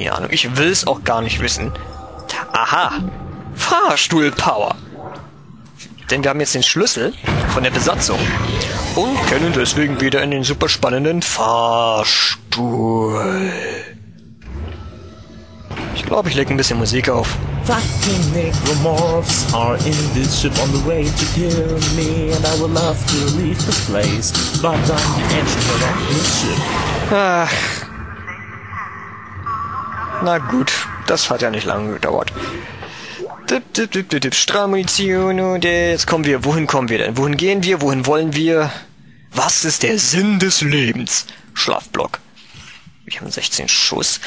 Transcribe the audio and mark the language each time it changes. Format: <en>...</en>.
<de>Ich will es auch gar nicht wissen. Aha. Fahrstuhl-Power. Denn wir haben jetzt den Schlüssel von der Besatzung und können deswegen wieder in den super spannenden Fahrstuhl. Ich glaube, ich lege ein bisschen Musik auf.</de> <en>Fucking Necromorphs are in this ship on the way to kill me, and I would love to leave this place, but I'm the engineer of this ship.</en> <de>Ach. Na gut, das hat ja nicht lange gedauert. Strahlmunition, und jetzt kommen wir. Wohin kommen wir denn? Wohin gehen wir? Wohin wollen wir? Was ist der Sinn des Lebens? Schlafblock. Wir haben 16 Schuss.</de>